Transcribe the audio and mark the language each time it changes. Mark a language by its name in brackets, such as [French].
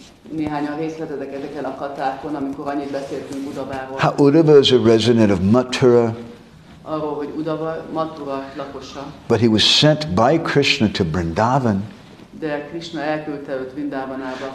[Hungarian] Néhány a részletedek ezeken a katákon, amikor annyit beszéltünk Uddhaváról. [English] How Uddhava is a resident of Mathura. [Hungarian] Arról, hogy Uddhava Mathura lakosa. [English] But he was sent by Krishna to Vrindavan. [Hungarian] De Krishna elküldte őt Vrindavanába.